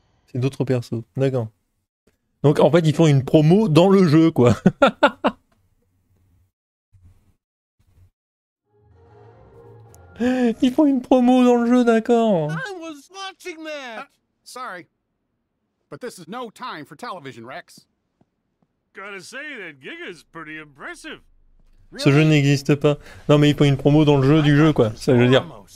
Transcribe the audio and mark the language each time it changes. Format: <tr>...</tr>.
<fr>C'est d'autres persos, d'accord. Donc en fait ils font une promo dans le jeu quoi. Ils font une promo dans le jeu, d'accord.</fr> <en>I was watching that. Sorry. But this is no time for television, Rex. Gotta say that Giga's pretty impressive.</en> <fr>Ce jeu n'existe pas. Non mais il faut une promo dans le jeu du jeu quoi, ça je veux dire.</fr>